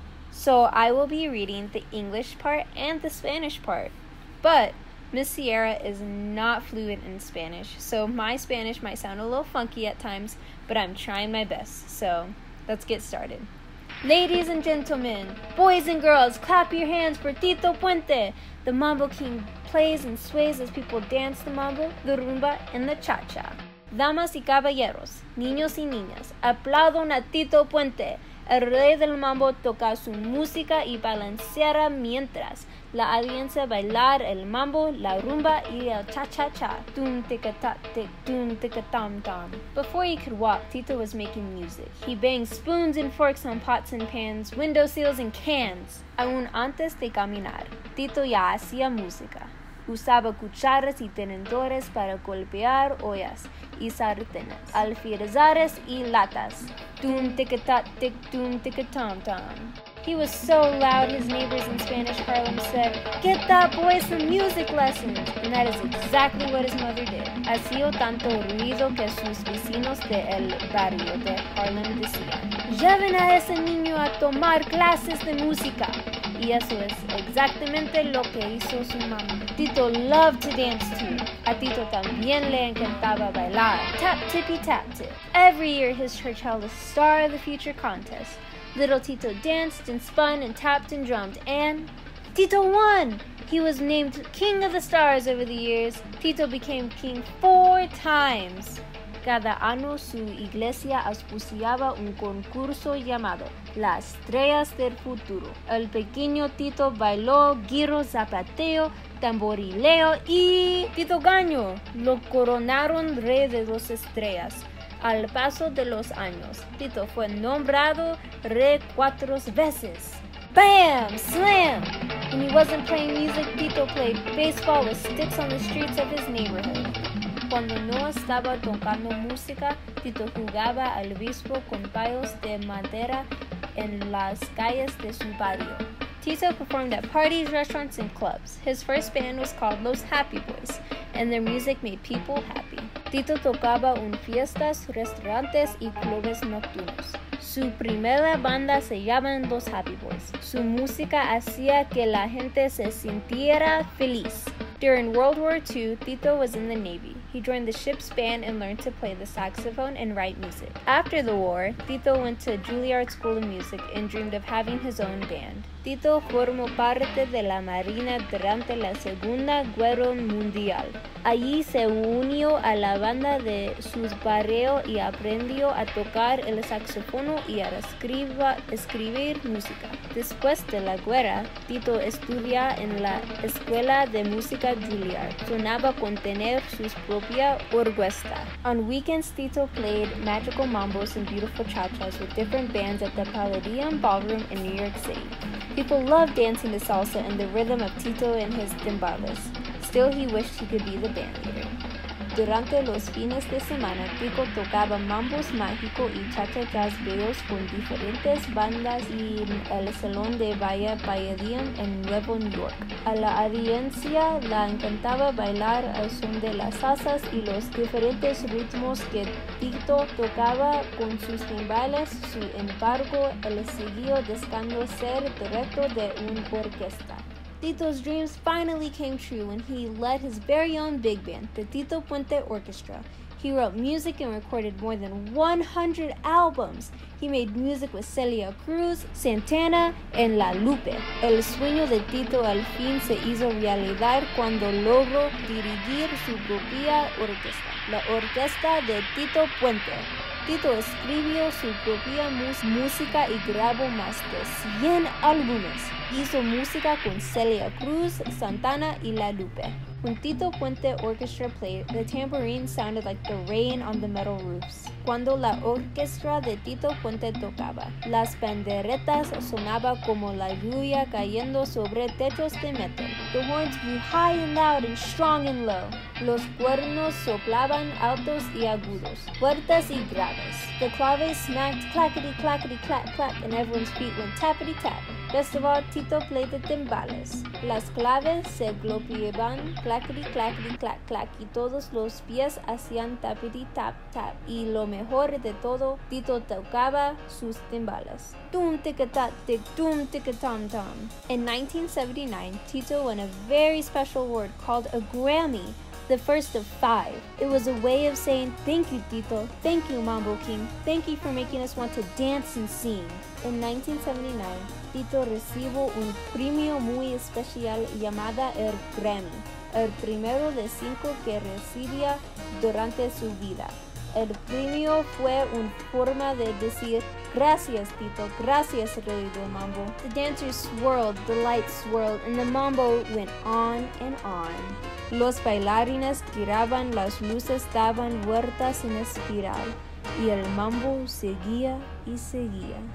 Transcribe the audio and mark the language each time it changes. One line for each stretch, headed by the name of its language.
English: So I will be reading the English part and the Spanish part, but Miss Sierra is not fluent in Spanish, so my Spanish might sound a little funky at times, but I'm trying my best, so let's get started. Ladies and gentlemen, boys and girls, clap your hands for Tito Puente. The Mambo King plays and sways as people dance the mambo, the rumba, and the cha-cha.
Spanish: Damas y caballeros, niños y niñas, aplaudan a Tito Puente. El rey del mambo toca su música y balanceará mientras la audiencia bailar el mambo, la rumba y el cha-cha-cha. Dun tica ta tic, dun tica tam tam.
English: Before he could walk, Tito was making music. He banged spoons and forks on pots and pans, windowsills and cans.
Spanish: Aún antes de caminar, Tito ya hacía música. Usaba cucharas y tenedores para golpear ollas y sartenes, alfileres y latas.
English: Doom tick a tat tick, doom tick a tom tom. He was so loud, his neighbors in Spanish Harlem said, "Get that boy some music lessons!" And that is exactly what his mother did.
Spanish: Hacía tanto ruido que sus vecinos de el barrio de Harlem decían, "Lleven a ese niño a tomar clases de música." Y eso es exactamente lo que hizo su mamá.
English: Tito loved to dance too.
Spanish: A Tito también le encantaba bailar.
English: Tap tippy tap tip. Every year his church held a Star of the Future contest. Little Tito danced and spun and tapped and drummed and Tito won! He was named King of the Stars over the years. Tito became king 4 times.
Spanish: Cada año su iglesia auspiciaba un concurso llamado Las Estrellas del Futuro. El pequeño Tito bailó, giro, zapateo, tamborileo y Tito ganó. Lo coronaron rey de las estrellas. Al paso de los años, Tito fue nombrado rey 4 veces. Bam! Slam!
English: When he wasn't playing music, Tito played baseball with sticks on the streets of his neighborhood.
Spanish: Cuando no estaba tocando música, Tito jugaba al béisbol con palos de madera en las calles de su barrio.
English: Tito performed at parties, restaurants, and clubs. His first band was called Los Happy Boys, and their music made people happy.
Spanish: Tito tocaba en fiestas, restaurantes, y clubes nocturnos. Su primera banda se llamaba Los Happy Boys. Su música hacía que la gente se sintiera feliz.
English: During World War II, Tito was in the Navy. He joined the ship's band and learned to play the saxophone and write music. After the war, Tito went to Juilliard School of Music and dreamed of having his own band.
Spanish: Tito formó parte de la Marina durante la Segunda Guerra Mundial. Allí se unió a la banda de su barrio y aprendió a tocar el saxofono y a escribir música. Después de la guerra, Tito estudia en la Escuela de Música Juilliard. Sonaba con tener sus propia orquesta.
English: On weekends, Tito played magical mambos and beautiful cha-chas with different bands at the Palladium Ballroom in New York City. People loved dancing to salsa and the rhythm of Tito and his timbales. Still, he wished he could be the band leader.
Spanish: Durante los fines de semana, Tito tocaba mambos mágico y cha-cha-chas bellos con diferentes bandas y el salón de baile Palladium en Nuevo York. A la audiencia le encantaba bailar al son de las salsas y los diferentes ritmos que Tito tocaba con sus timbales. Sin embargo, él siguió deseando ser director de una orquesta.
English: Tito's dreams finally came true when he led his very own big band, the Tito Puente Orchestra. He wrote music and recorded more than 100 albums. He made music with Celia Cruz, Santana, and La Lupe.
Spanish: El sueño de Tito al fin se hizo realidad cuando logró dirigir su propia orquesta, la Orquesta de Tito Puente. Tito escribió su propia música y grabó más de 100 álbumes. Hizo música con Celia Cruz, Santana y La Lupe.
English: When Tito Puente Orchestra played, the tambourine sounded like the rain on the metal roofs.
Spanish: Cuando la orquesta de Tito Puente tocaba, las panderetas sonaban como la lluvia cayendo sobre techos de metal.
English: The horns blew high and loud and strong and low.
Spanish: Los cuernos soplaban altos y agudos, fuertes y graves.
English: The claves smacked clackety clackety clack clack, and everyone's feet went tappity tap. Best of all, Tito played the timbales.
Spanish: Las claves se glopieban clackety clackety clack clack, y todos los pies hacían tappity tap tap. Y lo mejor de todo, Tito tocaba sus timbales.
English: Doom tick-a-tat tick, doom tick-a-tom-tom. In 1979, Tito won a very special award called a Grammy. The first of five. It was a way of saying thank you, Tito. Thank you, Mambo King. Thank you for making us want to dance and sing.
Spanish: In 1979, Tito recibió un premio muy especial llamada el Grammy, el primero de cinco que recibía durante su vida. El premio fue una forma de decir gracias, Tito. Gracias, Rey del Mambo.
English: The dancers swirled, the lights swirled, and the mambo went on and on.
Spanish: Los bailarines giraban, las luces daban vueltas en espiral, y el mambo seguía y seguía.